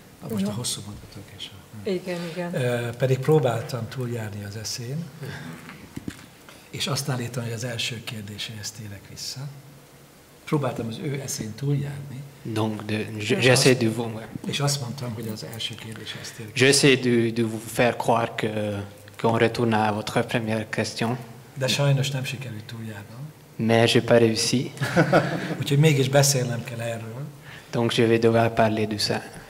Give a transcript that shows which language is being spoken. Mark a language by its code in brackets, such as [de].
[hu] Most a hosszú mondatok is. Igen. Pedig próbáltam túljárni az eszén, és azt állítom, hogy az első kérdéséhez térek vissza. Próbáltam az ő eszén túljárni. [fr] Donc, j'essaie de vous. [hu] És azt mondtam, hogy az első kérdéshez térek. [fr] J'essaie de vous faire croire qu'on retourne à votre première question. [hu] De sajnos nem sikerült túljárni. [fr] Mais j'ai pas réussi. [hu] Úgyhogy mégis beszélnem kell erről. [fr] Donc je vais devoir parler de ça.